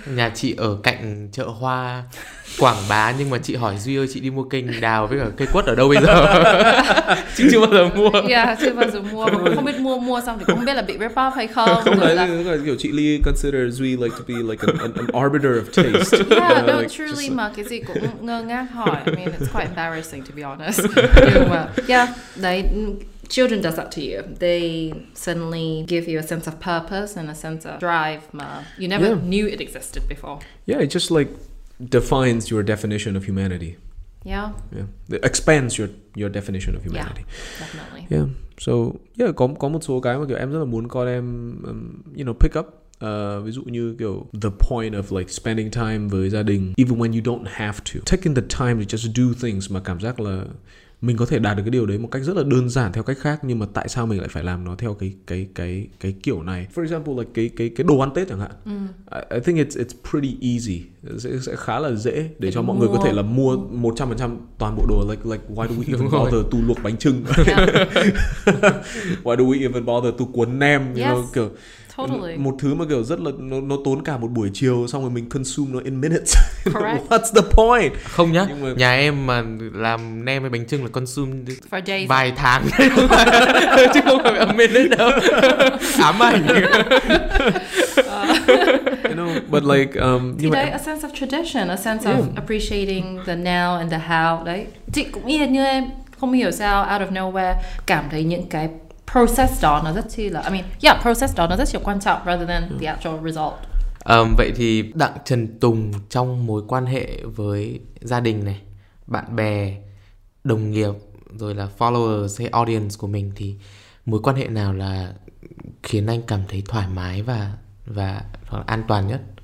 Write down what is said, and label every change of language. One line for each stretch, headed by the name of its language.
Vietnamese: Nhà chị ở cạnh chợ hoa Quảng Bá, nhưng mà chị hỏi Duy ơi chị đi mua kênh đào với cả cây quất ở đâu bây giờ? Chị chưa bao giờ mua. Yeah, chưa bao giờ mua. Không biết mua xong thì không biết là bị rip off hay không. Không phải là kiểu chị Ly consider Duy
English: like to be like an arbiter of taste. Yeah, no, like, truly just...
Vietnamese: mà cái gì cũng ngơ ngác hỏi.
English: I mean, it's quite embarrassing to be honest.
Vietnamese: Nhưng mà,
English: yeah, đấy, children does that to you. They suddenly give you a sense of purpose and a sense of drive mà you never yeah. knew it existed before. Yeah, it's just like defines your definition of humanity. Yeah. Yeah. It expands your definition of humanity. Yeah, definitely. Yeah.
Vietnamese: So, yeah, có một số cái mà kiểu em rất là muốn con em you know,
English: pick up.
Vietnamese: Ví dụ như kiểu
English: the point of like spending time
Vietnamese: với gia đình
English: even when you don't have to. Taking the time to just do things
Vietnamese: mà cảm giác là mình có thể đạt được cái điều đấy một cách rất là đơn giản theo cách khác, nhưng mà tại sao mình lại phải làm nó theo cái kiểu này.
English: For example là like
Vietnamese: cái đồ ăn Tết chẳng hạn.
English: I think it's pretty easy.
Vietnamese: Sẽ khá là dễ để cho mọi người có thể là mua 100% toàn bộ đồ,
English: like why do we even bother to
Vietnamese: luộc bánh chưng?
English: Why do we even bother to
Vietnamese: cuốn nem,
English: you know, kiểu totally.
Vietnamese: Một thứ mà kiểu rất là nó tốn cả một buổi chiều, xong rồi mình consume nó
English: in minutes. Correct. What's the point?
Vietnamese: Không nhá, mà... nhà em mà làm nem hay bánh chưng là consume
English: for days.
Vietnamese: Vài tháng. Chứ không phải
English: a minute
Vietnamese: đâu. Ám ảnh.
English: You know, but like
Vietnamese: nhưng mà...
English: đấy, a sense of tradition, a sense yeah. of appreciating the now and the how, đấy.
Vietnamese: Chị cũng y hệt như em, không hiểu sao
English: out of nowhere
Vietnamese: cảm thấy những cái process đó nó rất chi là,
English: I mean, yeah,
Vietnamese: process đó nó rất là quan trọng
English: rather than the actual result.
Vietnamese: Vậy thì Đặng Trần Tùng trong mối quan hệ với gia đình này, bạn bè, đồng nghiệp, rồi là followers hay audience của mình, thì mối quan hệ nào là khiến anh cảm thấy thoải mái và hoặc là an toàn nhất?